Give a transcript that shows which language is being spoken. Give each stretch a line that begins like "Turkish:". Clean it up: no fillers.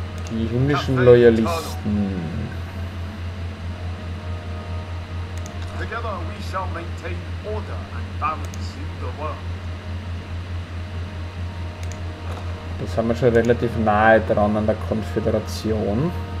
German: Die himmlischen Loyalisten.
English: Together we shall maintain order and balance in the world.
German: Da sind wir schon relativ nahe dran an der Konföderation.